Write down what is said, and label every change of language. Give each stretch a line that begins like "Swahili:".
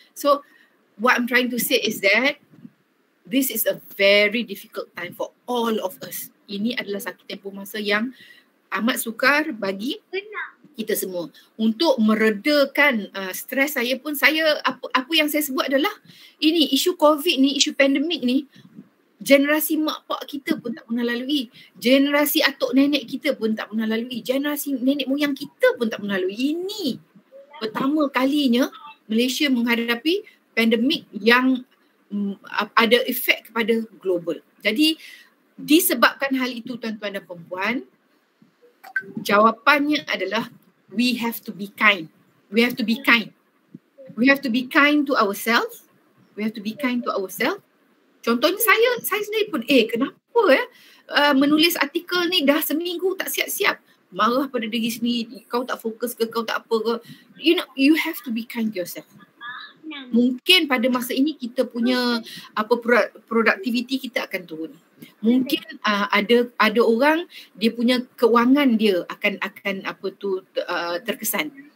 English: So what I'm trying to say is that this is a very difficult time for all of us.
Malay: Ini adalah satu tempoh masa yang amat sukar bagi kita semua. Untuk meredakan stres saya pun, saya apa yang saya sebut adalah ini isu COVID ni, isu pandemik ni, generasi mak pak kita pun tak pernah lalui. Generasi atuk nenek kita pun tak pernah lalui. Generasi nenek moyang kita pun tak pernah lalui. Ini pertama kalinya Malaysia menghadapi pandemik yang ada efek kepada global. Jadi disebabkan hal itu, tuan-tuan dan puan-puan, jawapannya adalah
English: we have to be kind to ourselves.
Malay: Contohnya saya sendiri pun, kenapa menulis artikel ni dah seminggu tak siap-siap, marah pada diri sendiri, kau tak fokus ke, kau tak apa ke.
English: You know, you have to be kind to yourself.
Malay: Mungkin pada masa ini kita punya produktiviti kita akan turun. Mungkin ada orang dia punya kewangan dia akan terkesan.